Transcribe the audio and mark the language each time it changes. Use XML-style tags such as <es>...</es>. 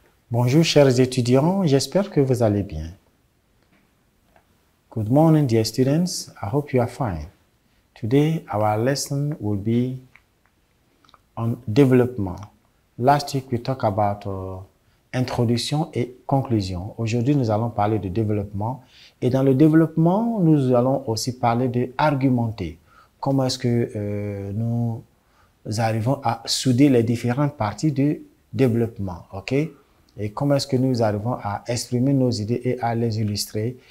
<fr>Bonjour chers étudiants, j'espère que vous allez bien.</fr> <en>Good morning dear students, I hope you are fine. Today our lesson will be on development. Last week we talked about introduction et conclusion.</en> <fr>Aujourd'hui nous allons parler de développement et dans le développement nous allons aussi parler de argumenter. Comment est-ce que nous arrivons à souder les différentes parties du développement, OK? Et comment est-ce que nous arrivons à exprimer nos idées et à les illustrer?</fr>